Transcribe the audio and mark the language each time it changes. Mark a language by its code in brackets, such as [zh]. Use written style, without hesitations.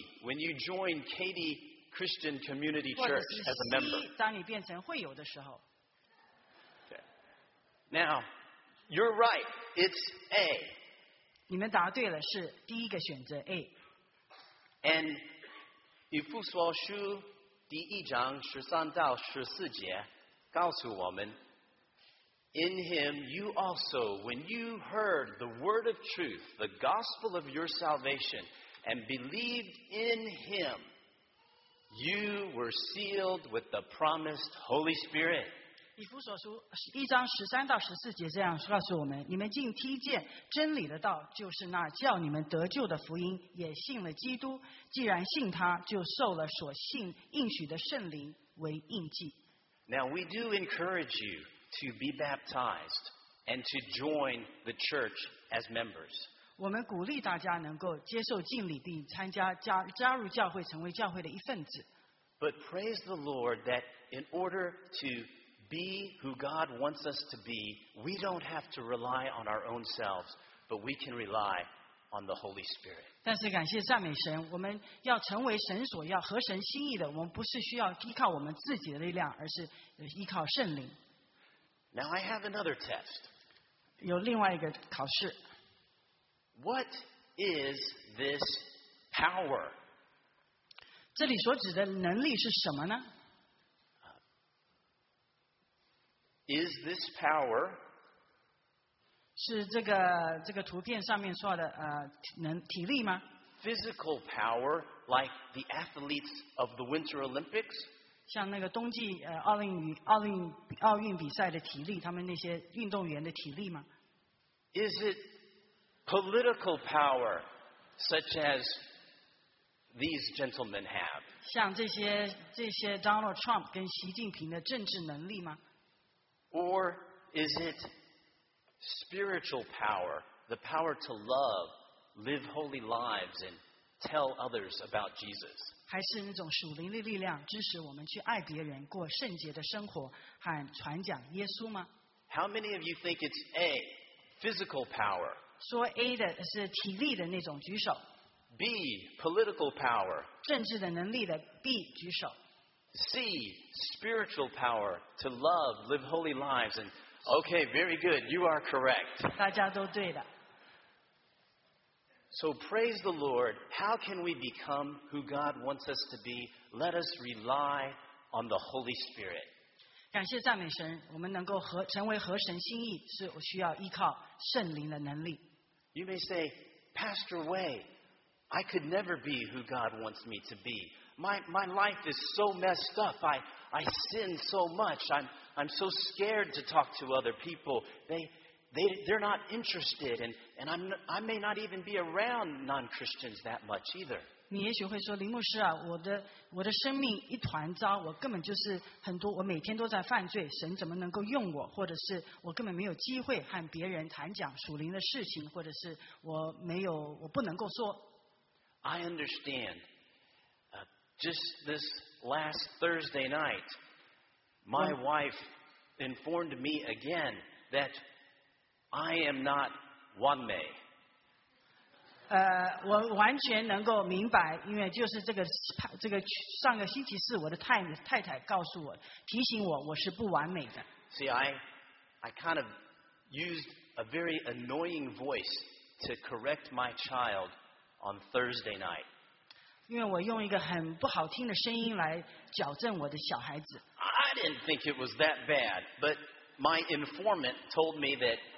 [en] When you join Katie Christian Community Church as a member. [zh] 或者是 C, 当你变成会友的时候。 [en] Okay. Now, you're right. It's A. [zh] 你们答对了，是第一个选择 A. [en] And [zh] 以弗所书第一章十三到十四节告诉我们。 [en] In him, you also, when you heard the word of truth, the gospel of your salvation, and believed in him, you were sealed with the promised Holy Spirit. [zh] 以弗所书一章十三到十四节这样告诉我们：你们竟听见真理的道，就是那叫你们得救的福音，也信了基督。既然信他，就受了所信应许的圣灵为印记。 [en] Now we do encourage you. To be baptized and to join the church as members. [zh] 我们鼓励大家能够接受浸礼并参加加入教会，成为教会的一份子。 [en] But praise the Lord that in order to be who God wants us to be, we don't have to rely on our own selves, but we can rely on the Holy Spirit. [zh] 但是感谢赞美神，我们要成为神所要合神心意的，我们不是需要依靠我们自己的力量，而是依靠圣灵。 [en] Now I have another test. [zh] 有另外一个考试。 [en] What is this power? [zh] 这里所指的能力是什么呢？ [en] Is this power? [zh] 是这个图片上面说的体力吗？ [en] Physical power, like the athletes of the Winter Olympics? [zh] 像那个冬季奥运比赛的体力，他们那些运动员的体力吗 [en] ？Is it political power, such as these gentlemen have？ [zh] 像这些 Donald Trump 跟习近平的政治能力吗 [en] ？Or is it spiritual power, the power to love, live holy lives and tell others about Jesus？ [zh] 还是那种属灵的力量支持我们去爱别人过圣洁的生活和传讲耶稣吗 [en] How many of you think it's A, physical power? [zh] 说 A 的是体力的那种举手 [en] B, political power [zh] 政治的能力的 B 举手 [en] C, spiritual power to love, live holy lives and okay, very good, you are correct [zh] 大家都对的 [en] So praise the Lord, how can we become who God wants us to be? Let us rely on the Holy Spirit. [zh] 感谢赞美神，我们能够合成为合神心意，是需要依靠圣灵的能力。 [en] You may say, Pastor Wei, I could never be who God wants me to be. My life is so messed up. I sin so much. I'm so scared to talk to other people. They're not interested, and I may not even be around non-Christians that much either. [zh] 你也许会说，林牧师啊，我的生命一团糟，我根本就是很多，我每天都在犯罪，神怎么能够用我？或者是我根本没有机会和别人谈讲属灵的事情，或者是我不能够说。 [en] I understand. Just this last Thursday night, my wife informed me again that. I am not one way. [zh] 我完全能够明白，因为就是这个上个星期四，我的太太告诉我，提醒我，我是不完美的。 [en] See, I kind of used a very annoying voice to correct my child on Thursday night. [zh] 因为我用一个很不好听的声音来矫正我的小孩子。 [en] I didn't think it was that bad, but my informant told me that.